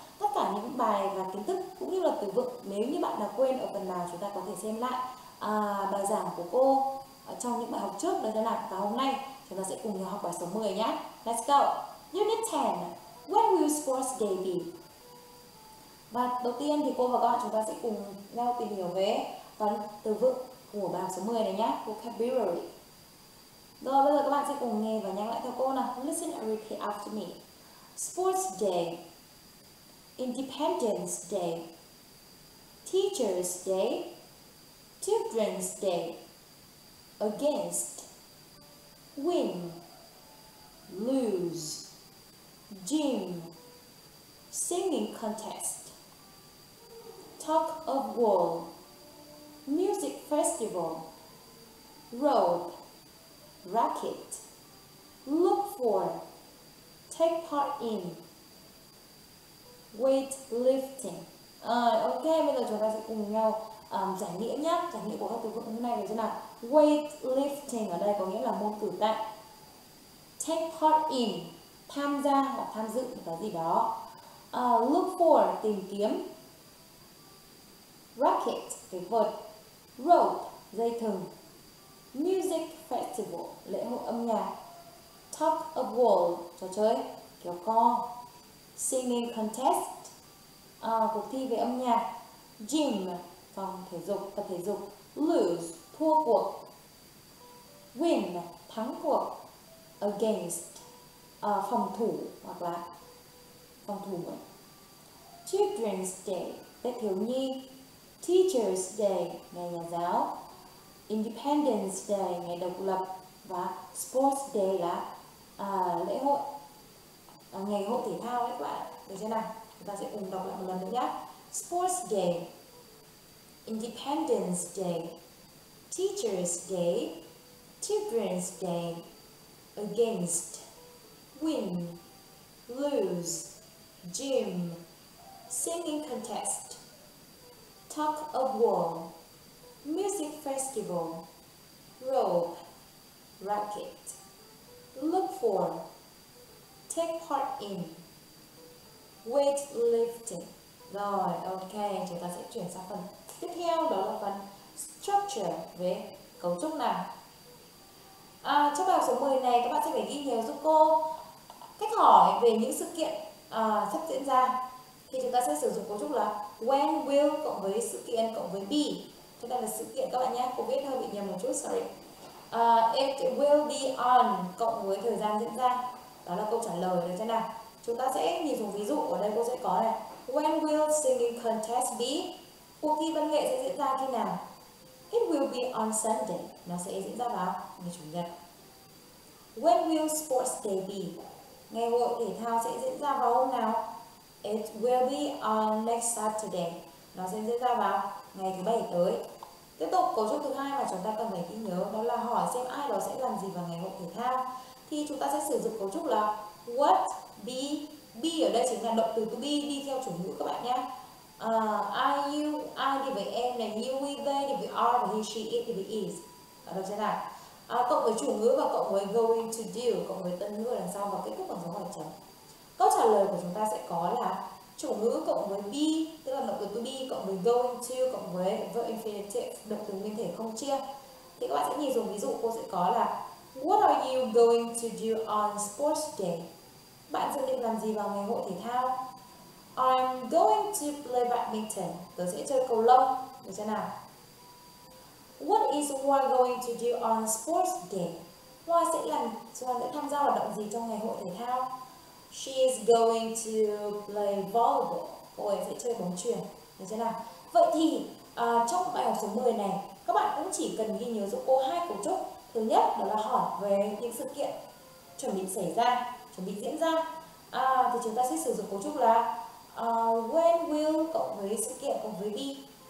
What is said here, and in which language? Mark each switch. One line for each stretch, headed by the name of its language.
Vietnamese: Tất cả những bài và kiến thức cũng như là từ vựng, nếu như bạn nào quên ở phần nào, chúng ta có thể xem lại bài giảng của cô trong những bài học trước đó thế nào. Và hôm nay chúng ta sẽ cùng nhau học bài số 10 nhá.
English: Let's go. Unit 10. When will sports day be?
Vietnamese: Và đầu tiên thì cô và các bạn chúng ta sẽ cùng nhau tìm hiểu về phần từ vựng của bài học số 10 này nhé, vocabulary. Rồi bây giờ các bạn sẽ cùng nghe và nhắc lại theo cô nào.
English: Listen and repeat after me. Sports day, Independence day, Teachers day, Children's day, Against, Win, Lose, Gym, Singing contest, Talk of war, Music festival, Rope, Racket, Look for, Take part in, Weight lifting.
Vietnamese: Ok, bây giờ chúng ta sẽ cùng nhau giải nghĩa nhé. Giải nghĩa của các từ vựng hôm nay là thế nào? Weight lifting ở đây có nghĩa là môn cử tạ. Take part in, tham gia hoặc tham dự một cái gì đó. Look for, tìm kiếm. Racket, cái vợt. Rope, dây thừng. Music festival, lễ hội âm nhạc. Talk of war, trò chơi, kéo co. Singing contest, cuộc thi về âm nhạc. Gym, phòng thể dục, tập thể dục. Lose, thua cuộc. Win, thắng cuộc. Against, phòng thủ hoặc là phòng thủ. Children's Day, Tết thiếu nhi. Teacher's Day, ngày nhà giáo. Independence Day, ngày độc lập. Và Sports Day là lễ hội, ngày hội thể thao đấy các bạn. Được chưa nào? Chúng ta sẽ cùng đọc lại một lần nữa nhé.
English: Sports Day, Independence Day, Teacher's Day, Children's Day, Against, Win, Lose, Gym, Singing Contest, Talk of War, Music Festival, Rope, Racket, Look for, Take part in, Weight lifting.
Vietnamese: Rồi, ok, chúng ta sẽ chuyển sang phần tiếp theo, đó là phần structure về cấu trúc nào. Trong bài học số 10 này, các bạn sẽ phải ghi nhớ giúp cô cách hỏi về những sự kiện sắp diễn ra. Thì chúng ta sẽ sử dụng cấu trúc là when will cộng với sự kiện cộng với be. Chúng ta là sự kiện các bạn nhé, cô biết hơi bị nhầm một chút, sorry.
English: It will be on
Vietnamese: cộng với thời gian diễn ra. Đó là câu trả lời là thế nào. Chúng ta sẽ nhìn dùng ví dụ, ở đây cô sẽ có này.
English: When will singing contest be?
Vietnamese: Cuộc thi văn nghệ sẽ diễn ra khi nào?
English: It will be on Sunday.
Vietnamese: Nó sẽ diễn ra vào ngày Chủ nhật.
English: When will sports day be?
Vietnamese: Ngày hội thể thao sẽ diễn ra vào hôm nào?
English: It will be on next Saturday.
Vietnamese: Nó sẽ diễn ra vào ngày thứ bảy tới. Tiếp tục cấu trúc thứ hai mà chúng ta cần phải ghi nhớ, đó là hỏi xem ai đó sẽ làm gì vào ngày hội thể thao. Thì chúng ta sẽ sử dụng cấu trúc là what, be. Be ở đây chính là động từ to be, đi theo chủ ngữ các bạn nhé. Are you, I thì phải em này, you, we, they thì phải are, và he, she, it thì phải is. Đó là thế nào? Cộng với chủ ngữ và cộng với going to do, cộng với tân ngữ ở đằng sau và kết thúc bằng dấu hỏi chấm. Câu trả lời của chúng ta sẽ có là chủ ngữ cộng với be, tức là động từ to be, cộng với going to, cộng với verb infinitive, động từ nguyên thể không chia. Thì các bạn sẽ nhìn dùng ví dụ, cô sẽ có là
English: what are you going to do on sports day?
Vietnamese: Bạn dự định làm gì vào ngày hội thể thao?
English: I'm going to play badminton.
Vietnamese: Tớ sẽ chơi cầu lông. Được chưa nào?
English: What is Hoa going to do on sports day?
Vietnamese: Hoa sẽ làm, Hoa sẽ tham gia hoạt động gì trong ngày hội thể thao?
English: She is going to play volleyball.
Vietnamese: Cô ấy sẽ chơi bóng chuyền. Được chưa nào? Vậy thì trong bài học số 10 này, các bạn cũng chỉ cần ghi nhớ giúp cô hai cấu trúc. Thứ nhất đó là hỏi về những sự kiện chuẩn bị xảy ra, chuẩn bị diễn ra. Thì chúng ta sẽ sử dụng cấu trúc là when will cộng với sự kiện cộng với be.